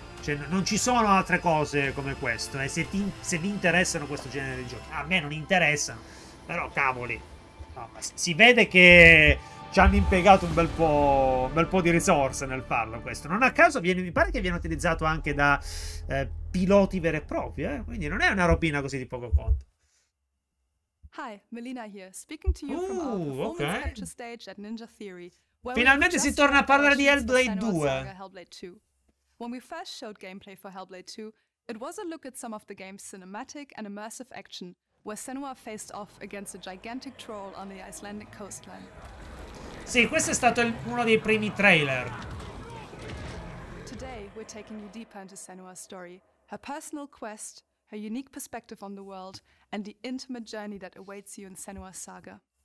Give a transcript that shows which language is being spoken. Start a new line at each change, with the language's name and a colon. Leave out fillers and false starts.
Italian: Cioè, non ci sono altre cose come questo, eh. Se vi interessano questo genere di giochi, a me non interessano, però cavoli, no, ma si vede che ci hanno impiegato un bel po' di risorse nel farlo questo. Non a caso mi pare che viene utilizzato anche da piloti veri e propri, eh? Quindi non è una robina così di poco conto.
English: Hi, Melina here, speaking to you from our performance capture stage at Ninja Theory.
Italian: Finalmente si torna a parlare di Hellblade 2.
English: When we first showed gameplay for Hellblade 2, it was a look at some of the game's cinematic and immersive action, where Senua faced off against a gigantic troll on the Icelandic coastline.
Italian: Sì, questo è stato uno dei primi trailer.
English: Today we're taking you deeper into Senua's story, her personal quest, her unique perspective on the world, and the intimate journey that awaits you in Senua's saga.